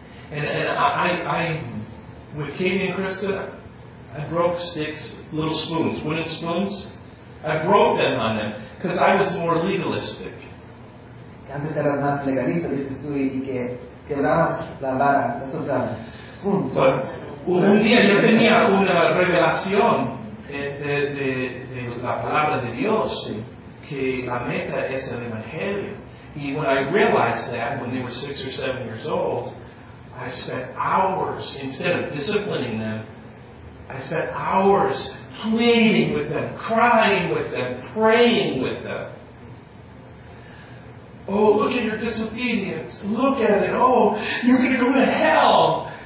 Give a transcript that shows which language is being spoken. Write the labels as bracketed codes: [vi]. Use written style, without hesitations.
[en] And I, with Katie and Krista, I broke sticks, little spoons, wooden spoons. I broke them on them because I was more legalistic. [es] Antes eras más legalista, dices tú, y que quebrabas la vara, esos spoons. Un día yo tenía una revelación de la palabra de Dios, que la meta es el Evangelio. [en] Y when I realized that, when they were 6 or 7 years old, I spent hours, instead of disciplining them, I spent hours pleading with them, crying with them, praying with them. Oh, look at your disobedience. Look at it. Oh, you're going to go to hell.